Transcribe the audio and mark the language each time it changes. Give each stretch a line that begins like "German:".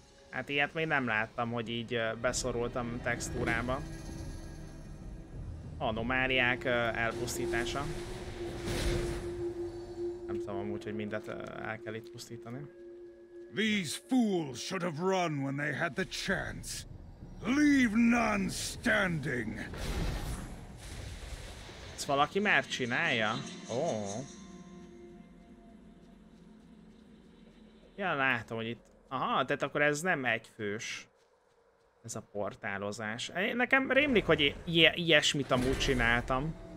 Hungarian: Hát ilyet még nem láttam, hogy így beszorultam textúrába. Anomáliák elpusztítása. Nem tudom amúgy, hogy mindet el kell itt pusztítani.
English: These fools should have run when they had the chance. Leave none standing.
Hungarian: Ezt valaki már csinálja? Ja, látom, hogy itt... Aha, tehát akkor ez nem egyfős. Ez a portálozás. Nekem rémlik, hogy ilyesmit amúgy csináltam.